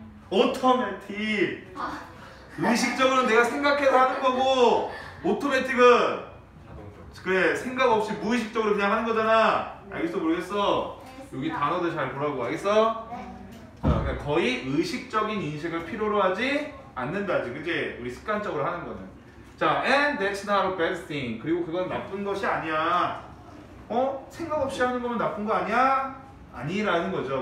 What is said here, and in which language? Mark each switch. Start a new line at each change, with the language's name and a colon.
Korean: 오토매틱. 아. 의식적으로는 내가 생각해서 하는 거고 오토매틱은 자동적. 그래, 생각 없이 무의식적으로 그냥 하는 거잖아. 알겠어 모르겠어? 알겠습니다. 여기 단어들 잘 보라고. 알겠어? 네. 자, 그냥 거의 의식적인 인식을 필요로 하지 않는다지, 그지? 우리 습관적으로 하는 거는.
English: 자, and that's not a bad thing.
Korean: 그리고 그건 나쁜 것이 아니야. 어? 생각 없이 하는 거면 나쁜 거 아니야? 아니라는 거죠.